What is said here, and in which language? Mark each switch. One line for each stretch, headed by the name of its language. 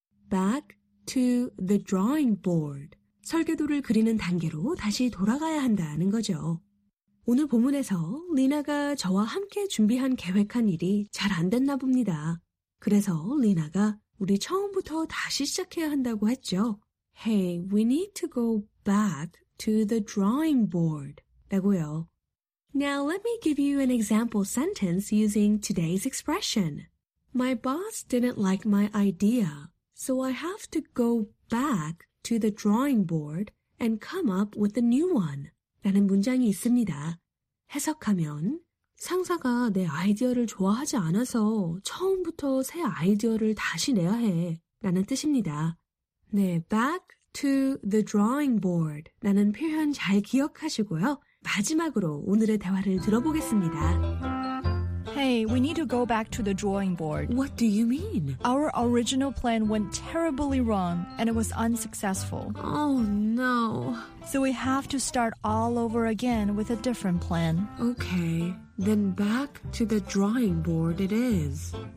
English: Back to the drawing board.
Korean: 설계도를 그리는 단계로 다시 돌아가야 한다는 거죠. 오늘 본문에서 리나가 저와 함께 준비한 계획한 일이 잘 안 됐나 봅니다. 그래서 리나가 우리 처음부터 다시 시작해야 한다고 했죠.
English: Hey, we need to go back to the drawing board.
Korean: 라고요.
English: Now let me give you an example sentence using today's expression. My boss didn't like my idea, so I have to go back to the drawing board and come up with a new one.
Korean: 라는 문장이 있습니다. 해석하면 상사가 내 아이디어를 좋아하지 않아서 처음부터 새 아이디어를 다시 내야 해 라는 뜻입니다. 네,
English: back to the drawing board
Korean: 라는 표현 잘 기억하시고요. 마지막으로 오늘의 대화를 들어보겠습니다.
English: Hey, we need to go back to the drawing board. What do you mean? Our original plan went terribly wrong and it was unsuccessful. Oh, no. So we have to start all over again with a different plan. Okay, then back to the drawing board it is.